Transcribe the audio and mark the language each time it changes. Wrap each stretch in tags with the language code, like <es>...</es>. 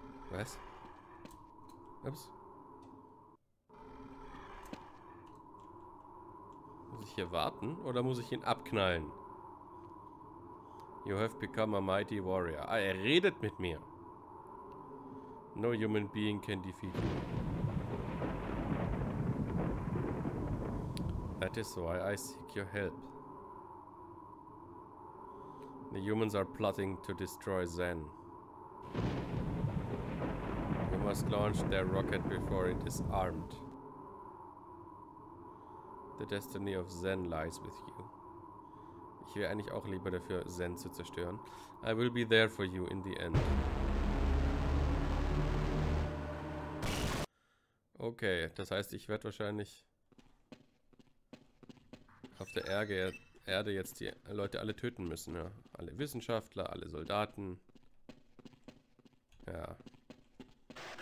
<de>Was? Ups. Hier warten oder muss ich ihn abknallen?</de> <en>You have become a mighty warrior.</en> <de>Ah, er redet mit mir.</de> <en>No human being can defeat you. That is why I seek your help. The humans are plotting to destroy Zen. You must launch their rocket before it is armed. The destiny of Zen lies with you.</en> <de>Ich wäre eigentlich auch lieber dafür, Zen zu zerstören.</de> <en>I will be there for you in the end.</en> <de>Okay, das heißt, ich werde wahrscheinlich auf der Erde jetzt die Leute alle töten müssen. Ja? Alle Wissenschaftler, alle Soldaten. Ja.</de> <en>Go!</en>